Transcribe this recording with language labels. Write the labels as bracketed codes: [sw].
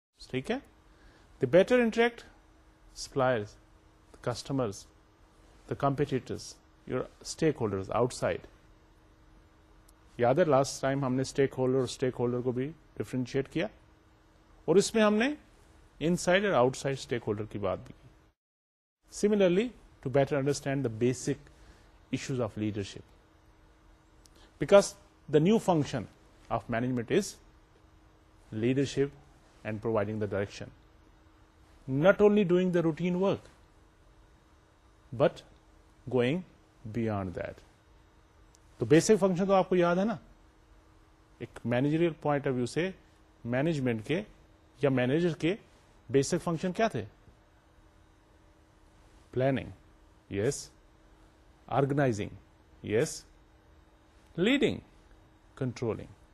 [ur] ٹھیک ہے؟ [en] The better interact, suppliers, the customers, the competitors, your stakeholders outside. [ur] یاد ہے لاسٹ ٹائم ہم نے اسٹیک ہولڈر اور اسٹیک ہولڈر کو بھی ڈیفرینشیٹ کیا اور اس میں ہم نے انسائڈ اور آؤٹ سائڈ اسٹیک ہولڈر کی بات بھی کی. [en] Similarly to better understand the basic issues of leadership because the new function of management is leadership and providing the direction not only doing the routine work but going beyond that. [ur] تو basic function تو آپ کو یاد ہے نا, ایک managerial point of view سے management کے یا مینیجر کے بیسک فنکشن کیا تھے؟ پلاننگ, یس, آرگنائزنگ, یس, لیڈنگ, کنٹرولنگ.